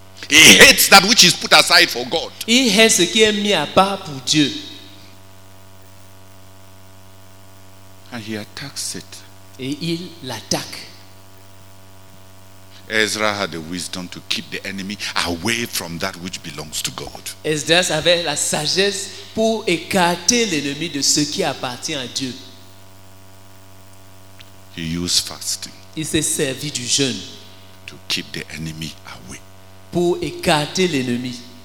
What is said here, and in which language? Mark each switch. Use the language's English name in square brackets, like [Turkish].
[English] He hates that which is put aside for God. [French] Il hait ce qui est mis à part pour Dieu. [English] And he attacks it. [French] Et il l'attaque. [English] Ezra had the wisdom to keep the enemy away from that which belongs to God. [French] Esdras avait la sagesse pour écarter l'ennemi de ce qui appartient à Dieu. [English] He used fasting. [French] Il s'est servi du jeûne. [English] To keep the enemy away. [French] Pour écarter l'ennemi.